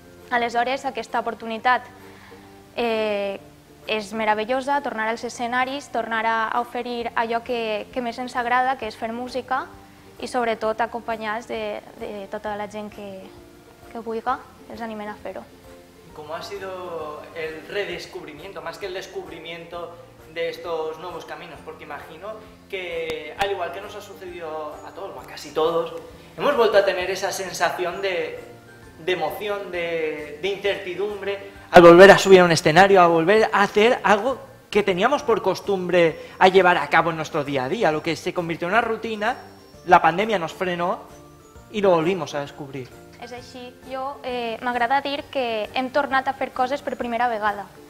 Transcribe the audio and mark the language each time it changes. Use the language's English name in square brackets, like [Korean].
[Catalan] Aleshores, aquesta oportunitat és meravellosa, tornar als escenaris, tornar a oferir allò que més ens agrada, que és fer música, i sobretot acompanyats de tota la gent que vulga, els animen a fer-ho. [Spanish] ¿Cómo ha sido el redescubrimiento, más que el descubrimiento de estos nuevos caminos? Porque imagino que, al igual que nos ha sucedido a todos, o a casi todos, hemos vuelto a tener esa sensación de emoción, de incertidumbre, al volver a subir a un escenario, a volver a hacer algo que teníamos por costumbre a llevar a cabo en nuestro día a día, lo que se convirtió en una rutina, la pandemia nos frenó y lo volvimos a descubrir. [Catalan] És així. Jo m'agrada dir que hem tornat a fer coses per primera vegada.